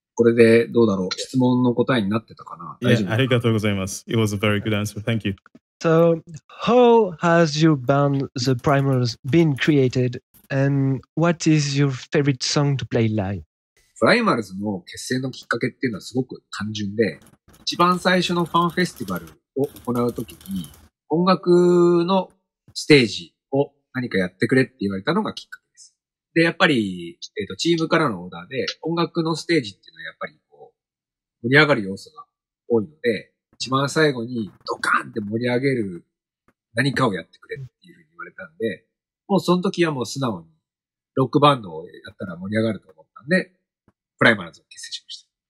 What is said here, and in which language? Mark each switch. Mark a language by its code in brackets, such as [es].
[ja] これでどうだろう、質問の答えになってたかな、大丈夫。ありがとうございます。 [en] It was a very good answer. Thank you. So, how has your band The Primals been created? And what is your favorite song to play live? [ja] Primals の結成のきっかけっていうのはすごく単純で、一番最初のファンフェスティバルを行うときに、音楽のステージを何かやってくれって言われたのがきっかけ。で、やっぱり、チームからのオーダーで、音楽のステージっていうのはやっぱり、こう、盛り上がる要素が多いので、一番最後にドカーンって盛り上げる何かをやってくれっていうふうに言われたんで、もうその時はもう素直に、ロックバンドをやったら盛り上がると思ったんで、プライマルズを結成しました。